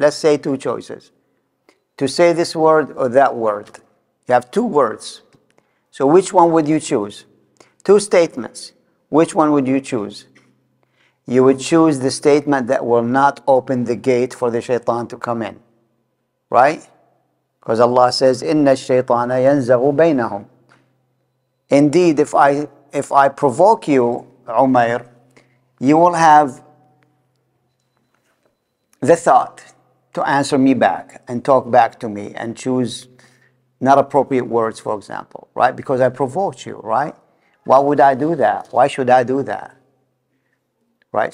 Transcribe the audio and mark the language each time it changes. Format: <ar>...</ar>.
<en>Let's say two choices. To say this word or that word. You have two words. So which one would you choose? Two statements. Which one would you choose? You would choose the statement that will not open the gate for the shaitan to come in. Right? Because Allah says,</en> <ar>إِنَّ الشَّيْطَانَ يَنْزَغُ بَيْنَهُمْ.</ar> <en>Indeed, if I provoke you, Umair, you will have the thought to answer me back and talk back to me and choose not appropriate words, for example, right? Because I provoked you, right? Why would I do that? Why should I do that? Right?</en>